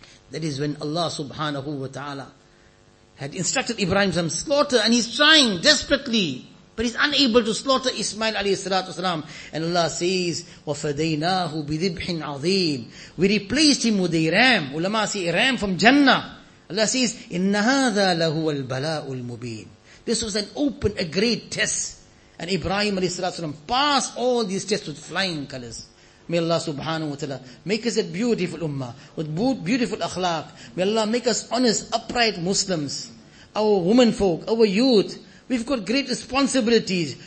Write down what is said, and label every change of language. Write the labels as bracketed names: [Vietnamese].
[English] That is when Allah subhanahu wa ta'ala had instructed Ibrahim to slaughter, and he's trying desperately, but he's unable to slaughter Ismail alayhi salatu wasalam. And Allah says, [Arabic] وَفَدَيْنَاهُ بِذِبْحٍ عَظِيمٍ. [English] We replaced him with a ram. Ulama say a ram from Jannah. Allah says, [Arabic] إِنَّ هَذَا لَهُوَ الْبَلَاءُ الْمُبِينُ. [English] This was an open, a great test. And Ibrahim alayhi salatu wasalam passed all these tests with flying colors. May Allah subhanahu wa ta'ala make us a beautiful ummah with beautiful akhlaq. May Allah make us honest, upright Muslims. Our women folk, our youth, we've got great responsibilities.